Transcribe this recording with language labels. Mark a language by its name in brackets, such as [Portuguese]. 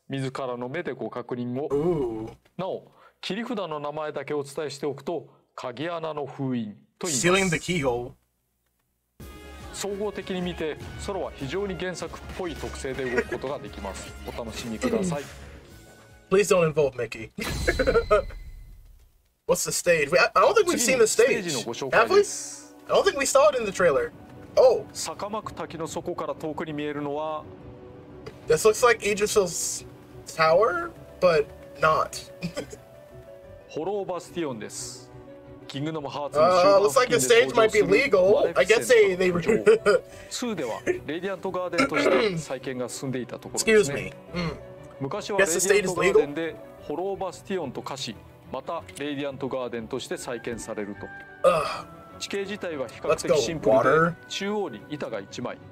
[Japanese] 自らの目でご確認を。なお切り札の名前だけお伝えしておくと、鍵穴の封印と言います。 [English] Sealing the keyhole. [Japanese] 総合的に見てソロは非常に原作っぽい特性で動くことができます。お楽しみください。 [English] Please don't involve Mickey. What's the stage? I don't think we've seen the stage. [Japanese] ステージのご紹介です。 [English] I don't think we saw it in the trailer. Oh. [Japanese] 坂幕滝の底から遠くに見えるのは、 [English] This looks like Idris's tower, but not. Hollow Bastion. This Kingdom Hearts. Looks like the stage might be legal. I guess they. Two. [Japanese] では Radiant Garden として再建が進んでいたところですね。 [English] Excuse me. [Japanese] 昔は Radiant Garden で Hollow Bastion と化し、また Radiant Garden として再建されると。地形自体は比較的シンプルで、中央に板が1枚。